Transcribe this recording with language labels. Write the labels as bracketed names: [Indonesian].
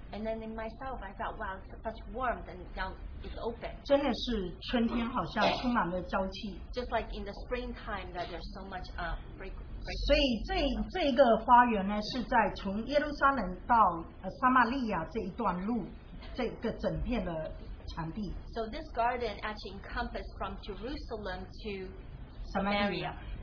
[English] And then in myself, I felt, wow, such warmth and young, it's open. [Chinese] 真的是春天好像充满了朝气。 [English] Just like in the springtime that there's so much fragrance. [Chinese] 所以这个花园呢, 是在从耶路撒冷到撒玛利亚这一段路, 这个整片的场地。 [English] So this garden actually encompassed from Jerusalem to Samaria.